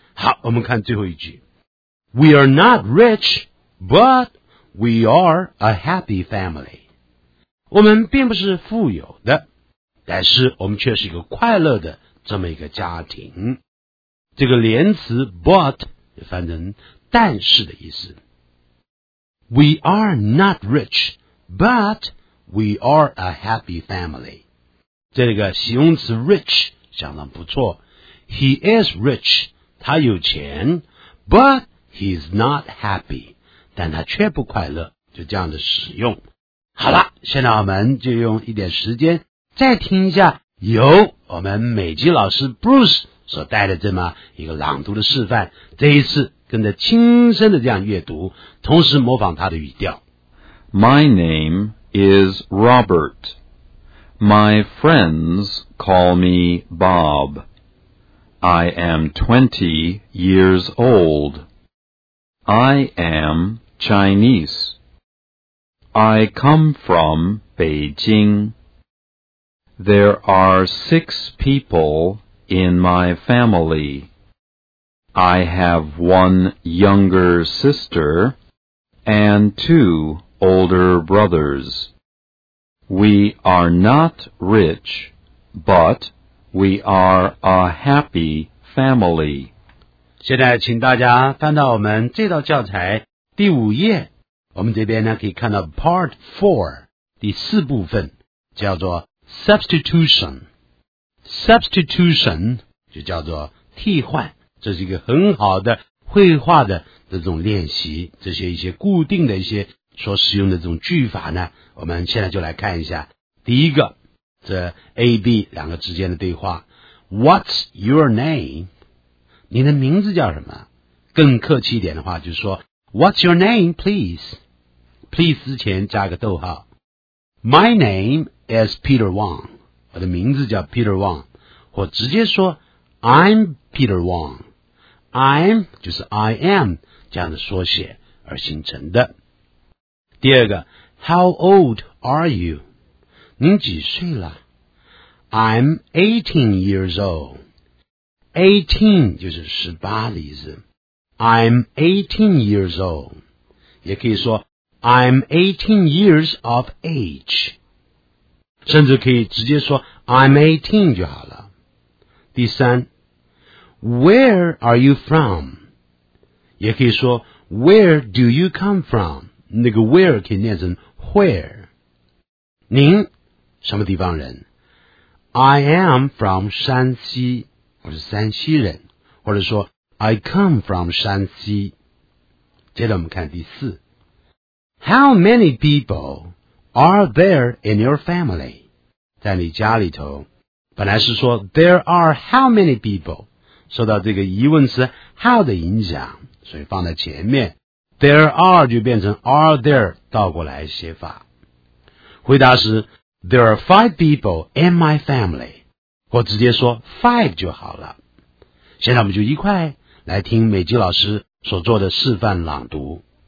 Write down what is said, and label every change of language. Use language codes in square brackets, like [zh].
[zh] 好，我们看最后一句， [en] We are not rich, but we are a happy family, [zh] 我们并不是富有的，但是我们却是一个快乐的这么一个家庭，这个连词 but翻成但是的意思。 [en] We are not rich, but we are a happy family, [zh] 这个形容词 rich 相当不错， [en] He is rich, [zh] 他有钱， [en] but he is not happy, [zh] 但他却不快乐，就这样的使用。好了，现在我们就用一点时间再听一下由我们美籍老师 Bruce所带的这么一个朗读的示范，这一次跟着轻声的这样阅读，同时模仿他的语调。 [en] My name is Robert. My friends call me Bob. I am 20 years old. I am Chinese. I come from Beijing. There are six people in my family. I have one younger sister and two older brothers. We are not rich, but we are a happy family. [zh] 现在请大家翻到我们这道教材第五页，我们这边呢可以看到 part 4, 第四部分叫做 substitution。 substitution 就叫做替换，这是一个很好的绘画的这种练习，这些一些固定的一些所使用的这种句法呢，我们现在就来看一下。第一个，这 AB 两个之间的对话， [en] What's your name? [zh] 你的名字叫什么？更客气一点的话就是说 [en] What's your name please? [zh] Please 之前加个逗号。 [en] My name is Peter Wong, [zh] 我的名字叫 Peter Wong, 或直接说 [en] I'm Peter Wong, [zh] I'm 就是 [en] I am [zh] 这样的缩写而形成的。第二个， [en] How old are you? [zh] 您几岁了？ [en] I'm 18 years old. [zh] 18 就是18的意思。 [en] I'm 18 years old. [zh] 也可以说 [en] I'm 18 years of age. [zh] 甚至可以直接说 [en] I'm 18 [zh] 就好了。第三， [en] Where are you from? [zh] 也可以说 [en] Where do you come from? [zh] 那个 where 可以念成 where。您什么地方人？ [en] I am from [zh] 山西，我是山西人，或者说 [en] I come from [zh] 山西。接着我们看第四， [en] How many people are there in your family? [zh] 在你家里头，本来是说 [en] There are how many people, [zh] 受到这个疑问词 how 的影响，所以放在前面，There are 就变成 [en] are there [zh] 倒过来写法。 [en] 回答是 There are 5 people in my family, [zh] 或直接说 5 就好了。现在我们就一块来听美姬老师所做的示范朗读。